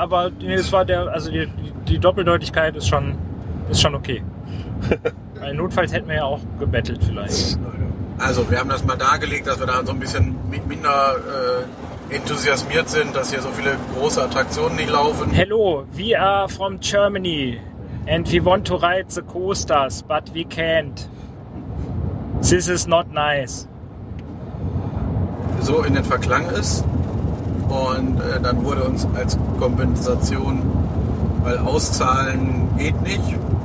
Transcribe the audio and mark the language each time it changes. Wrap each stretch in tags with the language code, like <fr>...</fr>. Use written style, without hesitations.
<de>Aber nee, es war der, also die Doppeldeutigkeit ist schon okay. Weil notfalls hätten wir ja auch gebettelt vielleicht. Also wir haben das mal dargelegt, dass wir da so ein bisschen minder enthusiasmiert sind, dass hier so viele große Attraktionen nicht laufen.</de> <en>Hello, we are from Germany and we want to ride the coasters, but we can't. This is not nice.</en> <de>So in den Verklang ist und dann wurde uns als Kompensation, weil auszahlen geht nicht.</de>